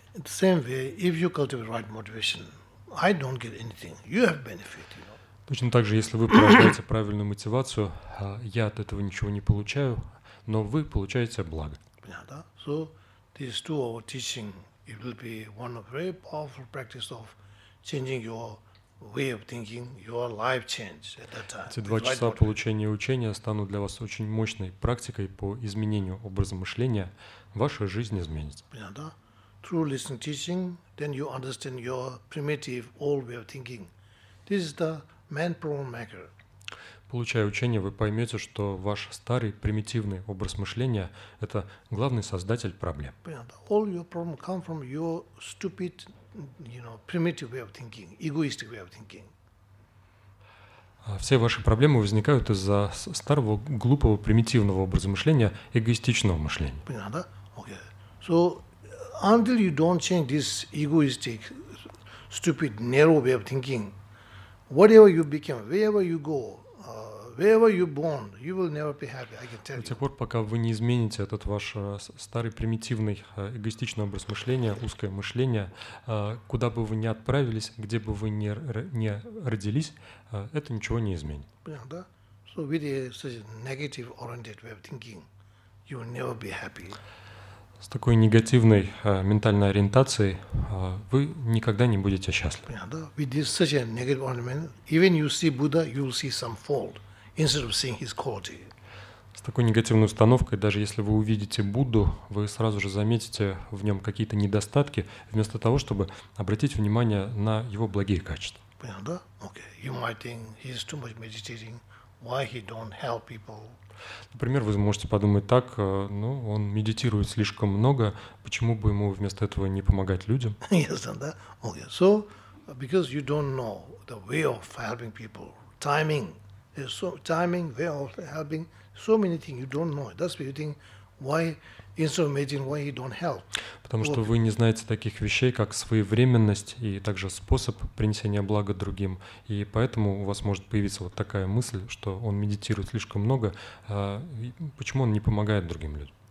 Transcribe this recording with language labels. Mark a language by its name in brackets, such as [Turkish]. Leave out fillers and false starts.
[English] In the same way, if you cultivate right motivation, I don't get anything. You have benefit. [Russian] Точно так же, если вы порождаете правильную мотивацию, я от этого ничего не получаю, но вы получаете благо. Понятно? [English] So, these two of our teaching, it will be one of very powerful practice of changing your way of thinking, your life change at that time. [Russian] Эти два часа получения учения станут для вас очень мощной практикой по изменению образа мышления. Ваша жизнь изменится. Понятно? [English] Through listening teaching, then you understand your primitive old way of thinking. This is the main problem maker. [Russian] Получая учение, вы поймете, что ваш старый примитивный образ мышления — это главный создатель проблем. Понятно. [English] All your problems come from your stupid, primitive way of thinking, egoistic way of thinking. [Russian] Все ваши проблемы возникают из-за старого глупого примитивного образа мышления, эгоистичного мышления. Понятно. Okay. [English] So until you don't change this egoistic, stupid, narrow way of thinking, whatever you become, wherever you go, wherever you born, you will never be happy. I can tell you. [Russian] До тех пор, пока вы не измените этот ваш старый примитивный эгоистичный образ мышления, узкое мышление, куда бы вы ни отправились, где бы вы ни родились, это ничего не изменит. Понятно, да? [English] So with such a negative oriented way of thinking, you will never be happy. [Russian] С такой негативной ментальной ориентацией вы никогда не будете счастливы. Yeah, да. [English] With this such a negative ornament, even you see Buddha, you will see some fault instead of seeing his quality. [Russian] С такой негативной установкой, даже если вы увидите Будду, вы сразу же заметите в нем какие-то недостатки, вместо того, чтобы обратить внимание на его благие качества. Yeah, да? Okay. [English] You might think he's too much meditating, why he don't help people. [Russian] Например, вы можете подумать так, ну, он медитирует слишком много, почему бы ему вместо этого не помогать людям? Yes, да? Okay. [English] So, because you don't know the way of helping people, timing, so, timing, way of helping, so many things you don't know. That's why you think, why, instead of meditating, why he don't help? [Russian] Потому что вы не знаете таких вещей, как своевременность и также способ принесения блага другим. И поэтому у вас может появиться вот такая мысль, что он медитирует слишком много. Почему он не помогает другим людям?